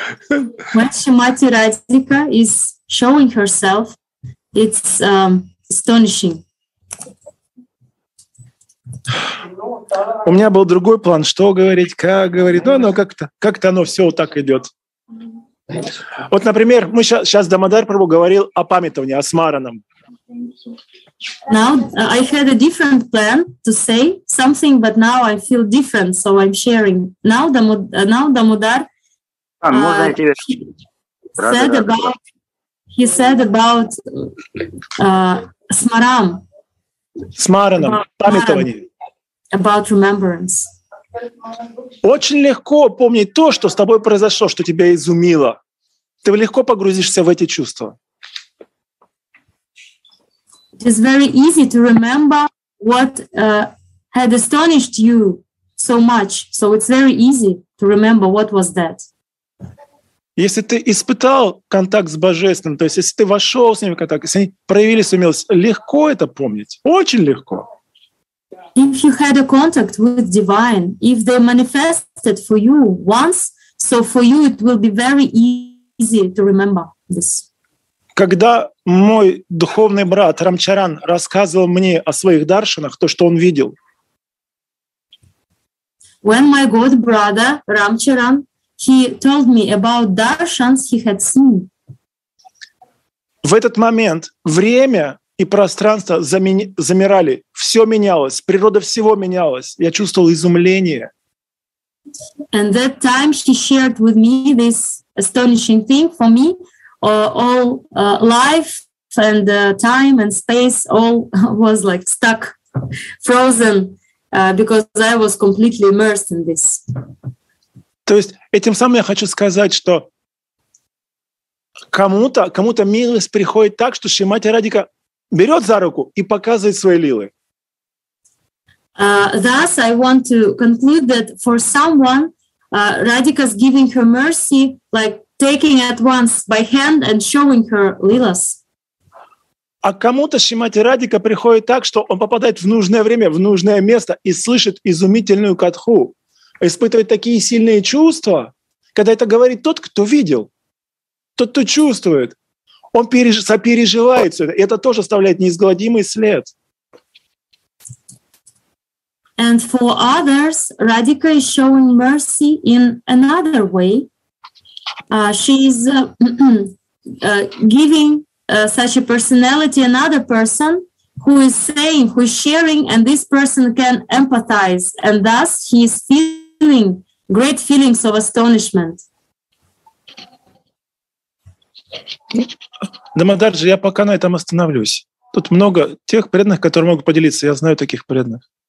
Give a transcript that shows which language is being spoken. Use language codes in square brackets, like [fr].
[en] When Шримати Радика is showing herself, it's astonishing. [ru] У меня был другой план, что говорить, как говорить. Но как-то оно все вот так идет. Вот, например, мы сейчас Дамодар Прабху говорил о памятовании, о смаранам. [en] Now I had a different plan to say something, but now I feel different, so I'm sharing. Now Дамодар said about. He said about smaram. [ru] Смаранам, памятование. [en] About remembrance. [ru] Очень легко помнить то, что с тобой произошло, что тебя изумило. Ты легко погрузишься в эти чувства. [en] It is very easy to remember what had astonished you so much. So it's very easy to remember what was that. [ru] Если ты испытал контакт с Божественным, то есть если ты вошел с ними в контакт, если они проявили свою милость, легко это помнить, очень легко. [en] If you had a contact with divine, if they manifested for you once, so for you it will be very easy to remember this. [ru] Когда мой духовный брат Рамчаран рассказывал мне о своих даршанах, то, что он видел. [en] When my god brother Рамчаран, he told me about darshans he had seen. [ru] В этот момент время и пространство замирали, все менялось, природа всего менялась. Я чувствовал изумление. [en] And that time she shared with me this astonishing thing for me. All life and time and space all was like stuck, frozen, because I was completely immersed in this. [ru] То есть этим самым я хочу сказать, что кому-то милость приходит так, что Шримати Радика берет за руку и показывает свои лилы. [en] Thus, I want to conclude that for someone, Radhika's giving her mercy, like taking at once by hand and showing her lilas. [ru] А кому-то Шримати Радика приходит так, что он попадает в нужное время, в нужное место и слышит изумительную катху. Испытывает такие сильные чувства, когда это говорит тот, кто видел, тот, кто чувствует, он сопереживает все это, и это тоже оставляет неизгладимый след. [en] And for others, Radhika is showing mercy in another way. She is giving such a personality another person. Who is saying, who is sharing, and this person can empathize, and thus he is feeling great feelings of astonishment. [ru] Дамодарджи, я пока на этом остановлюсь. Тут много тех преданных, которые могут поделиться. Я знаю таких преданных.